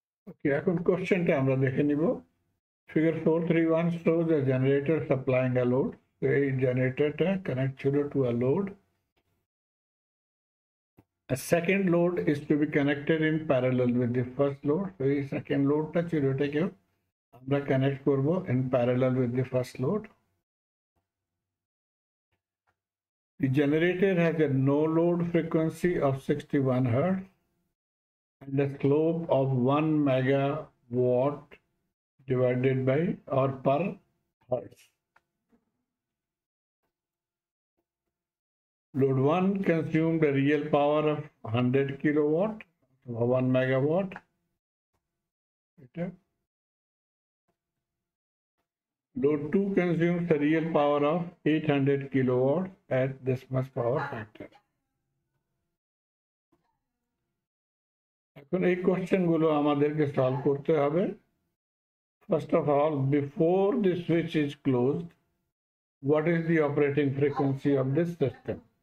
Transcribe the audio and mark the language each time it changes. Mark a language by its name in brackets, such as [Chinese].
[Bangla] ওকে, এখন কোশ্চেনটা আমরা দেখে নিব। [English] figure 431 shows a generator supplying a load, [Bangla] এই জেনারেটরটা কানেক্ট ছিল [English] to a load, a second load is to be connected in parallel with the first load, [Bangla] এই সেকেন্ড লোডটা ছিল এটাকেও আমরা কানেক্ট করব [English] In parallel with the first load. The generator has a no load frequency of 61 hertz and a slope of 1 megawatt divided by or per hertz. Load 1 consumed a real power of 100 kilowatt or 1 megawatt. Load 2 consumes a real power of 800 kilowatt at this much power factor. [Bangla] এখন এই কোশ্চেনগুলো আমাদেরকে solve করতে হবে। [English] First of all, before the switch is close, what is the operating frequency of this system?